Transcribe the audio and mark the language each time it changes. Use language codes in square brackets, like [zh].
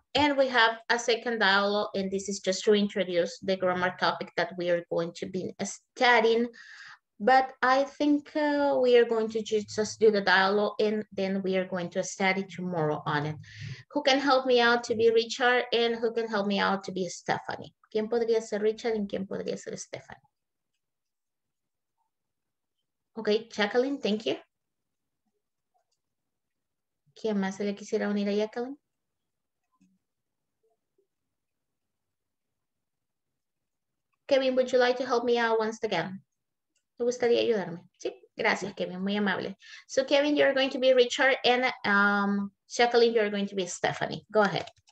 [en] And we have a second dialogue, and this is just to introduce the grammar topic that we are going to be studying. But I think we are going to just do the dialogue and then we are going to study tomorrow on it. Who can help me out to be Richard and who can help me out to be Stephanie? [es] ¿Quién podría ser Richard y quién podría ser Stephanie? [en] Okay, Jacqueline, thank you. [es] ¿Quién más se le quisiera unir a Jacqueline? [en] Kevin, would you like to help me out once again? [es] Me gustaría ayudarme. Sí, gracias, Kevin. Muy amable. [en] So, Kevin, you're going to be Richard, and Jacqueline, you're going to be Stephanie. Go ahead.